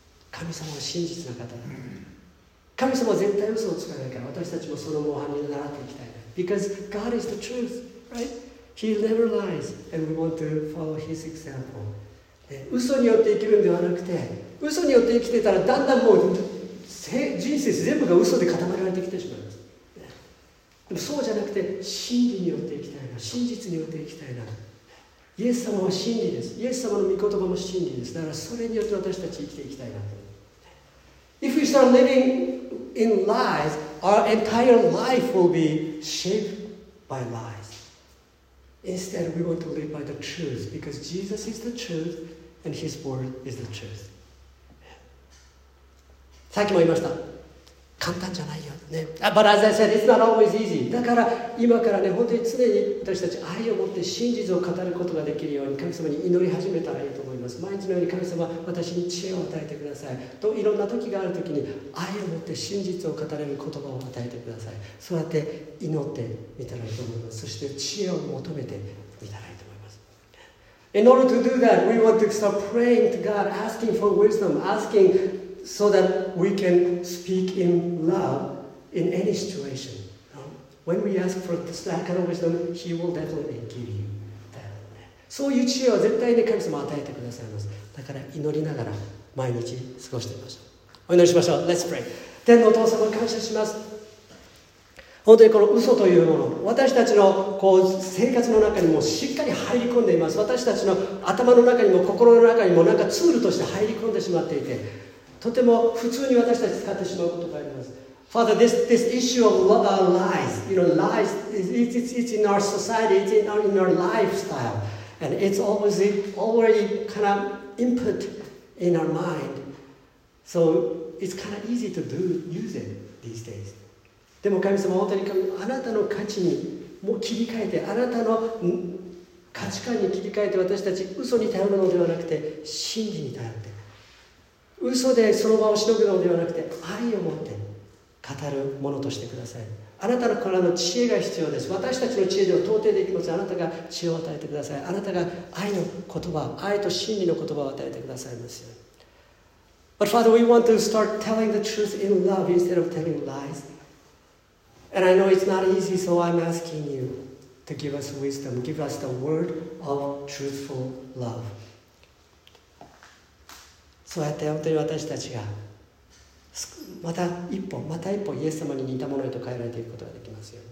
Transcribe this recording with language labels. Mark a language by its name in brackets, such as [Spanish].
[Japanese] 神様は真実な方だ。神様は絶対嘘をつかないから、私たちもその模範に習っていきたいな。 [English] Because God is the truth, right? He never lies, and we want to follow his example. [Japanese] 嘘によって生きるんではなくて、嘘によって生きてたらだんだんもう人生全部が嘘で固められてきてしまいます。でもそうじゃなくて、真理によって生きたいな、真実によって生きたいな。イエス様は真理です。イエス様の御言葉も真理です。だからそれによって私たち生きていきたいな。 [English] If we start living in lies, our entire life will be shaped by lies. Instead, we want to live by the truth because Jesus is the truth and His word is the truth. [Japanese] さっきも言いました。簡単じゃないよ。ね。 [English] But as I said, it's not always easy. [Japanese] だから今からね、本当に常に私たち愛を持って真実を語ることができるように神様に祈り始めたらいいと思います。毎日のように神様、私に知恵を与えてください。といろんな時がある時に愛を持って真実を語れる言葉を与えてください。そうやって祈ってみたらいいと思います。そして知恵を求めてみたらいいと思います。 [English] In order to do that, we want to start praying to God, asking for wisdom, askingSo that we can speak in love in any situation. When we ask for that kind of wisdom, He will definitely give you that. [Japanese] そういう知恵を絶対に神様与えてくださいます。だから祈りながら毎日過ごしてみましょう。お祈りしましょう。 [English] Let's pray. [Japanese] 天のお父様、感謝します。本当にこの嘘というもの、私たちのこう生活の中にもしっかり入り込んでいます。私たちの頭の中にも心の中にもなんかツールとして入り込んでしまっていて、とても普通に私たち使ってしまうことがあります。 [English] Father, this issue of what are lies, you know, lies, it's in our society, it's in our lifestyle. And it's already kind of input in our mind. So it's kind of easy to use it these days. [Japanese] でも神様、本当にあなたの価値にもう切り替えて、あなたの価値観に切り替えて、私たち嘘に頼るのではなくて、真理に頼って、嘘でその場をしのぐのではなくて、愛を持って語るものとしてください。あなたのこれらの知恵が必要です。私たちの知恵では到底できません。あなたが知恵を与えてください。あなたが愛の言葉、愛と真理の言葉を与えてくださいますように。 [English] But Father, we want to start telling the truth in love instead of telling lies. And I know it's not easy, so I'm asking you to give us wisdom, give us the word of truthful love. [Japanese] そうやって本当に私たちがまた一歩イエス様に似たものへと変えられていくことができますよ。